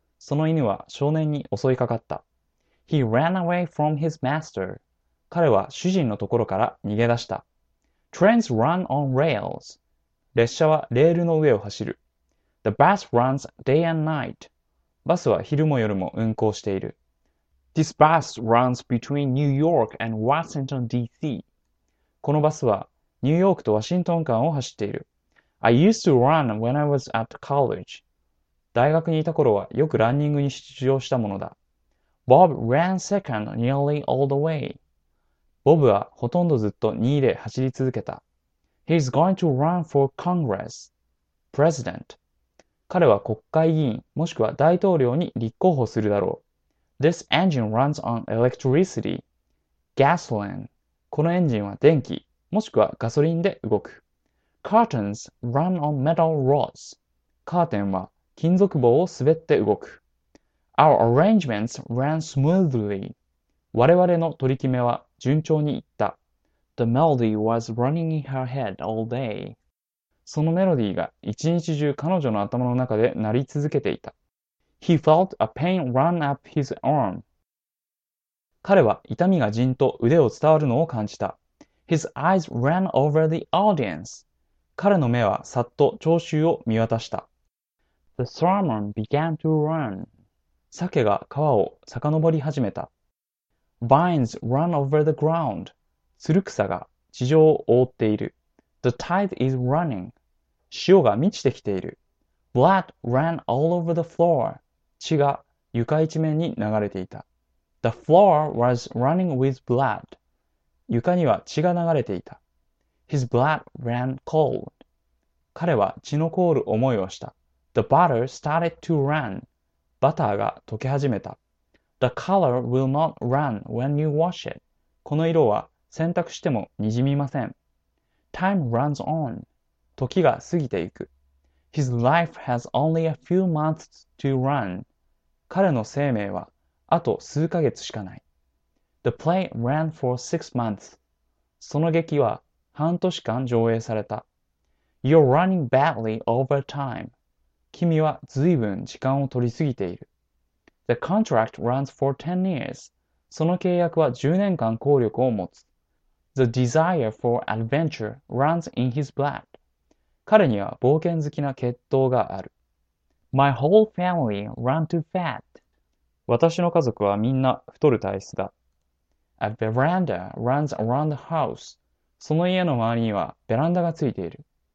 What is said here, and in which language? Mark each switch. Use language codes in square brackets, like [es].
[ja] その犬は少年に襲いかかった。 [en] He ran away from his master. [ja] 彼は主人のところから逃げ出した。 [en] Trains run on rails. [ja] 列車はレールの上を走る。 [en] The bus runs day and night. [ja] バスは昼も夜も運行している。 [en] This bus runs between New York and Washington DC. [ja] このバスはニューヨークとワシントン間を走っている。 [en] I used to run when I was at college. [ja] 大学にいた頃はよくランニングに出場したものだ。 [en] Bob ran second nearly all the way. [ja] ボブはほとんどずっと2位で走り続けた。 [en] He's going to run for Congress, President. [ja] 彼は国会議員、もしくは大統領に立候補するだろう。 [en] This engine runs on electricity, gasoline. [ja] このエンジンは電気、もしくはガソリンで動く。 [en] Curtains run on metal rods. [ja] カーテンは金属棒を滑って動く。 [en] Our arrangements ran smoothly. [ja] 我々の取り決めは順調にいった。 [en] The melody was running in her head all day. [ja] そのメロディーが一日中彼女の頭の中で鳴り続けていた。 [en] He felt a pain run up his arm. [ja] 彼は痛みがじんと腕を伝わるのを感じた。 [en] His eyes ran over the audience. [ja] 彼の目はさっと聴衆を見渡した。 [en] The salmon began to run. [ja] 鮭が川を遡り始めた。 [en] Vines run over the ground. [ja] つる草が地上を覆っている。 [en] The tide is running. [ja] 潮が満ちてきている。 [en] Blood ran all over the floor. [ja] 血が床一面に流れていた。 [en] The floor was running with blood. [ja] 床には血が流れていた。 [en] His blood ran cold. [ja] 彼は血の凍る思いをした。 [en] The butter started to run. [ja] バターが溶け始めた。 [en] The color will not run when you wash it. [ja] この色は洗濯してもにじみません。 [en] Time runs on. [ja] 時が過ぎていく。 [en] His life has only a few months to run. [ja] 彼の生命はあと数ヶ月しかない。 [en] The play ran for 6 months. [ja] その劇は半年間上映された。 [en] You're running badly over time. [ja] 君は随分時間を取りすぎている。 [en] The contract runs for 10 years. [ja] その契約は10年間効力を持つ。 [en] The desire for adventure runs in his blood. [ja] 彼には冒険好きな血統がある。 [en] My whole family run too fat. [ja] 私の家族はみんな太る体質だ。 [en] A veranda runs around the house. [ja] その家の周りにはベランダがついている。